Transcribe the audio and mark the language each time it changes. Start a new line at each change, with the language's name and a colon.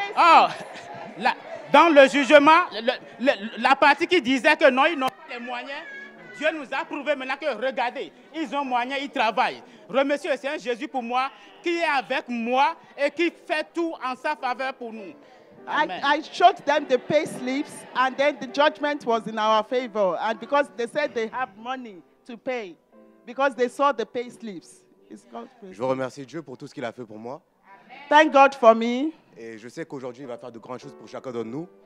French: Oh, dans le jugement, la partie qui disait que non, ils n'ont pas les moyens, Dieu nous a prouvé maintenant que regardez, ils ont moyens, ils travaillent. Remercie le Seigneur Jésus pour moi, qui est avec moi et qui fait tout en sa faveur pour nous.
English: I showed them the pay slips and then the judgment was in our favor and because they said they have money to pay because they saw the pay slips.
French: Je veux remercier Dieu pour tout ce qu'il a fait pour moi.
English: Thank God for me.
French: Et je sais qu'aujourd'hui, il va faire de grandes choses pour chacun d'entre nous.